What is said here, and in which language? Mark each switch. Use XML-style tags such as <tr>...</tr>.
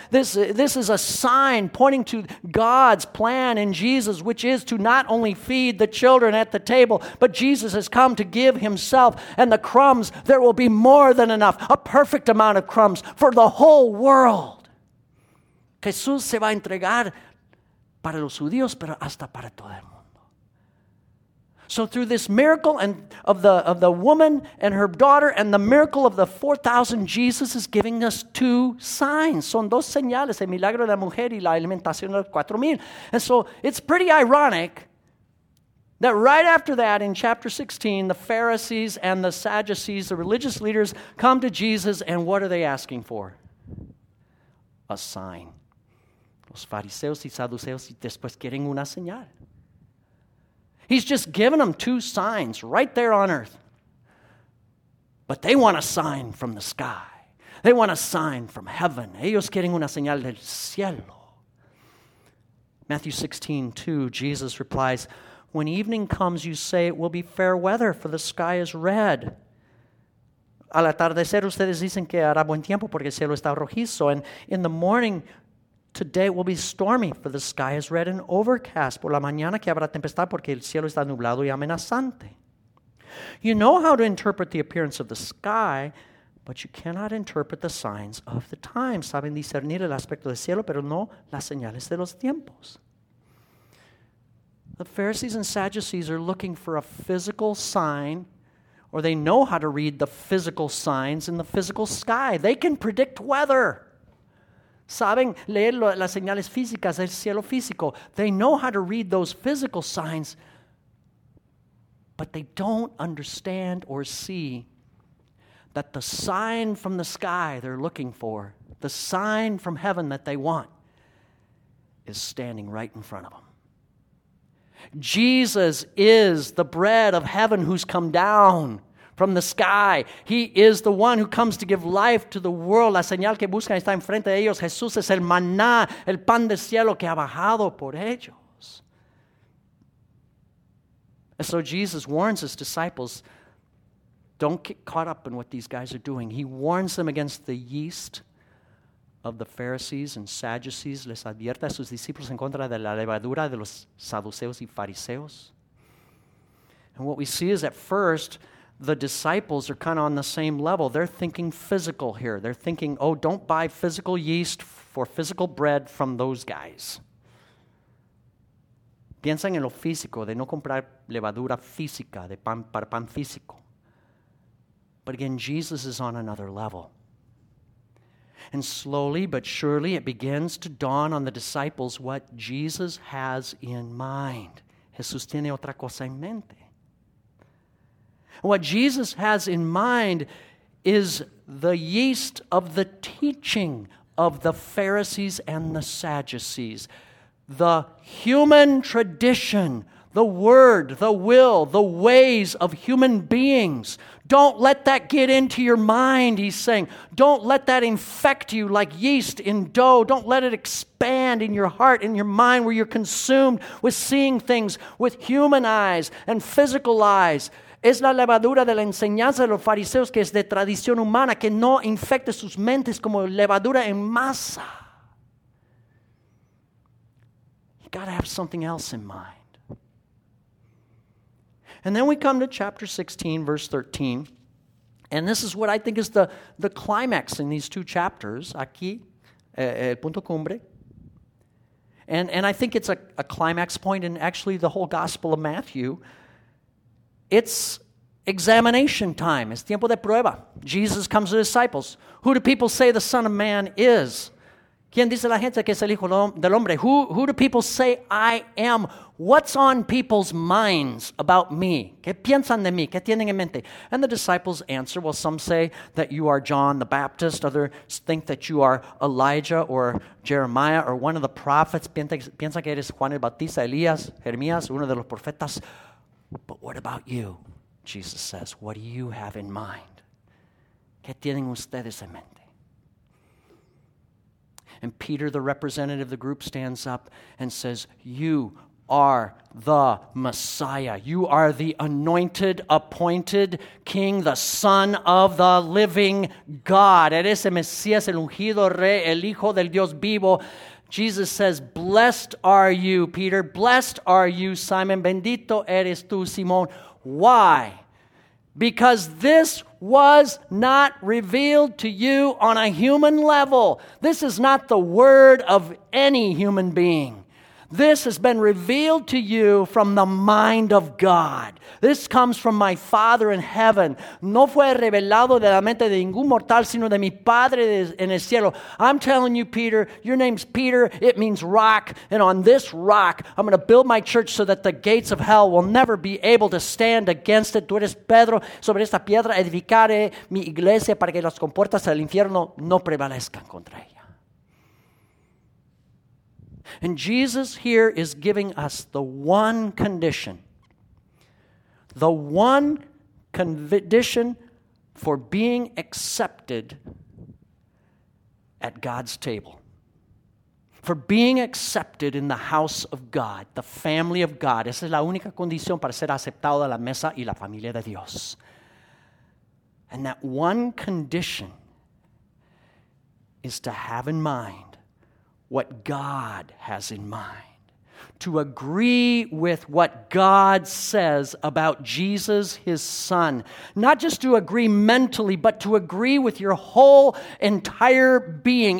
<en>This is a sign pointing to God's plan in Jesus, which is to not only feed the children at the table, but Jesus has come to give himself and the crumbs. There will be more than enough, a perfect amount of crumbs for the whole world.</en> <es>Jesús se va a entregar para los judíos, pero hasta para todo el mundo.</es> <en>So through this miracle and of the woman and her daughter and the miracle of the 4,000, Jesus is giving us 2 signs.</en> <es>Son 2 señales, el milagro de la mujer y la alimentación de los 4,000.</es> <en>And so it's pretty ironic that right after that, in chapter 16, the Pharisees and the Sadducees, the religious leaders, come to Jesus, and what are they asking for? A sign.</en> <es>Los fariseos y saduceos y después quieren una señal.</es> <en>He's just given them 2 signs right there on earth. But they want a sign from the sky. They want a sign from heaven.</en> <es>Ellos quieren una señal del cielo.</es> <en>Matthew 16:2, Jesus replies, when evening comes, you say it will be fair weather, for the sky is red.</en> <es>Al atardecer, ustedes dicen que hará buen tiempo, porque el cielo está rojizo.</es> <en>And in the morning, Today will be stormy, for the sky is red and overcast.</en> <es>Por la mañana que habrá tempestad, porque el cielo está nublado y amenazante.</es> <en>You know how to interpret the appearance of the sky, but you cannot interpret the signs of the times.</en> <es>Saben discernir el aspecto del cielo, pero no las señales de los tiempos.</es> <en>The Pharisees and Sadducees are looking for a physical sign, or they know how to read the physical signs in the physical sky. They can predict weather.</en> <es>Saben leer las señales físicas del cielo físico.</es> <en>They know how to read those physical signs, but they don't understand or see that the sign from the sky they're looking for, the sign from heaven that they want, is standing right in front of them. Jesus is the bread of heaven who's come down from the sky. He is the one who comes to give life to the world.</en> <es>La señal que buscan está enfrente de ellos. Jesús es el maná, el pan del cielo que ha bajado por ellos.</es> <en>And so Jesus warns his disciples, don't get caught up in what these guys are doing. He warns them against the yeast of the Pharisees and Sadducees.</en> <es>Les advierte a sus discípulos en contra de la levadura de los saduceos y fariseos.</es> <en>And what we see is at first, the disciples are kind of on the same level. They're thinking physical here. They're thinking, oh, don't buy physical yeast for physical bread from those guys.</en> <es>Piensan en lo físico, de no comprar levadura física, de pan para pan físico.</es> <en>But again, Jesus is on another level. And slowly but surely, it begins to dawn on the disciples what Jesus has in mind.</en> <es>Jesús tiene otra cosa en mente.</es> <en>What Jesus has in mind is the yeast of the teaching of the Pharisees and the Sadducees. The human tradition, the word, the will, the ways of human beings. Don't let that get into your mind, he's saying. Don't let that infect you like yeast in dough. Don't let it expand in your heart, in your mind, where you're consumed with seeing things with human eyes and physical eyes.</en> <es>Es la levadura de la enseñanza de los fariseos que es de tradición humana, que no infecte sus mentes como levadura en masa.</es> <en>You got to have something else in mind. And then we come to chapter 16, verse 13. And this is what I think is the climax in these two chapters.</en> <es>Aquí, el punto cumbre.</es> <en>And I think it's a climax point in actually the whole Gospel of Matthew. It's examination time.</en> <es>Es tiempo de prueba.</es> <en>Jesus comes to disciples. Who do people say the Son of Man is?</en> <es>¿Quién dice la gente que es el Hijo del Hombre?</es> <en>Who do people say I am? What's on people's minds about me?</en> <es>¿Qué piensan de mí? ¿Qué tienen en mente?</es> <en>And the disciples answer, well, some say that you are John the Baptist. Others think that you are Elijah or Jeremiah or one of the prophets.</en> <es>Piensa que eres Juan el Bautista, Elías, Jeremías, uno de los profetas.</es> <en>But what about you? Jesus says, what do you have in mind?</en> <es>¿Qué tienen ustedes en mente?</es> <en>And Peter, the representative of the group, stands up and says, you are the Messiah. You are the anointed, appointed King, the Son of the living God.</en> <es>Eres el Mesías, el ungido rey, el Hijo del Dios vivo.</es> <en>Jesus says, blessed are you, Peter. Blessed are you, Simon.</en> <es>Bendito eres tú, Simón.</es> <en>Why? Because this was not revealed to you on a human level. This is not the word of any human being. This has been revealed to you from the mind of God. This comes from my Father in heaven.</en> <es>No fue revelado de la mente de ningún mortal, sino de mi Padre en el cielo.</es> <en>I'm telling you, Peter, your name's Peter. It means rock. And on this rock, I'm going to build my church so that the gates of hell will never be able to stand against it.</en> <es>Tú eres Pedro. Sobre esta piedra edificaré mi iglesia para que las compuertas del infierno no prevalezcan contra ella.</es> <en>And Jesus here is giving us the one condition. The one condition for being accepted at God's table. For being accepted in the house of God, the family of God. Esa es la única condición para ser aceptado a la mesa y la familia de Dios. And that one condition is to have in mind what God has in mind, to agree with what God says about Jesus, his son. Not just to agree mentally, but to agree with your whole entire being.</en>